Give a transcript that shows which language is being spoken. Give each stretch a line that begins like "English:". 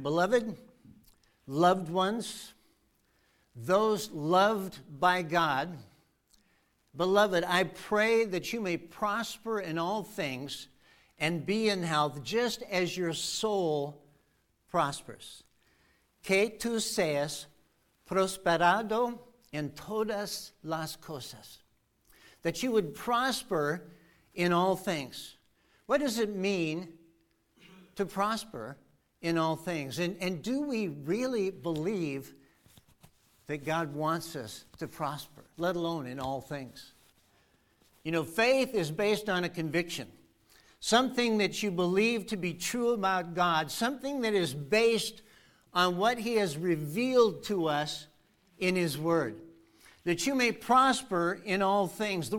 English: Beloved, loved ones, those loved by God, beloved, I pray that you may prosper in all things and be in health just as your soul prospers.
Spanish: Que tú seas prosperado en todas las cosas.
English: That you would prosper in all things. What does it mean to prosper in all things? And do we really believe that God wants us to prosper, let alone in all things? You know, faith is based on a conviction, something that you believe to be true about God, something that is based on what he has revealed to us in his word, that you may prosper in all things.